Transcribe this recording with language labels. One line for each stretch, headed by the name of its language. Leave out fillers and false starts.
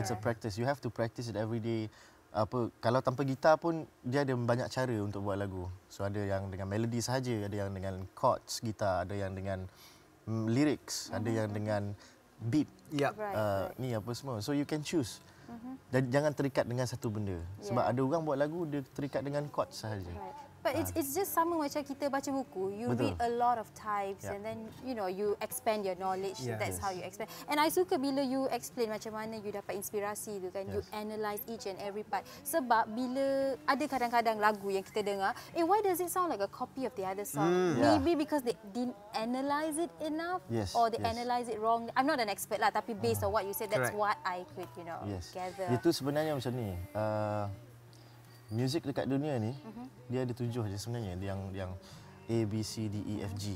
English: It's a practice. You have to practice it every day.
Malay: Apa, kalau tanpa gitar pun dia ada banyak cara untuk buat lagu. So ada yang dengan melody sahaja, ada yang dengan chords gitar, ada yang dengan lyrics, ada yang dengan beat. Ni apa semua.
English: So you can choose.
Malay: Dan jangan terikat dengan satu benda. Sebab ada orang buat lagu dia terikat dengan chords sahaja.
English: But it's just
Malay: sama macam kita baca buku.
English: You read a lot of types and then you know you expand your knowledge. That's how you expand. And I
Malay: suka bila
English: you explain
Malay: macam mana
English: you
Malay: dapat inspirasi tu kan.
English: You analyse each and every part.
Malay: Sebab bila ada kadang-kadang lagu yang kita dengar,
English: why does it sound like a copy of the other song? Maybe because they didn't analyse it enough or they analyse it wrong. I'm not an expert lah, tapi based on what you said, that's what I could you know gather.
Malay: Itu sebenarnya macam ni. Music dekat dunia ni dia ada 7 je sebenarnya, yang A B C D E F G.